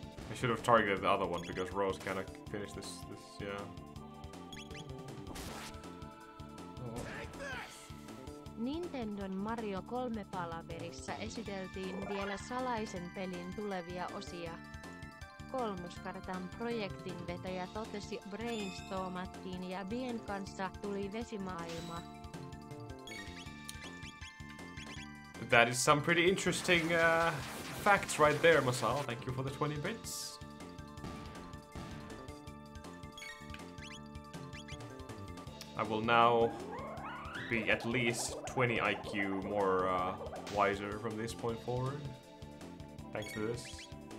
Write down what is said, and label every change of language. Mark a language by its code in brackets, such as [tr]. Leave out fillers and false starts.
[en] I should have targeted the other one because Rose kind of finished this, yeah. [fi] Nintendon Mario 3 -palaverissa esiteltiin vielä salaisen pelin tulevia osia. Kolmoskartan projektin vetäjä totesi brainstormattiin ja Bien kanssa tuli vesimaailma. [en] That is some pretty interesting facts right there, Masao. Thank you for the 20 bits. I will now be at least 20 IQ more wiser from this point forward. Thanks to this.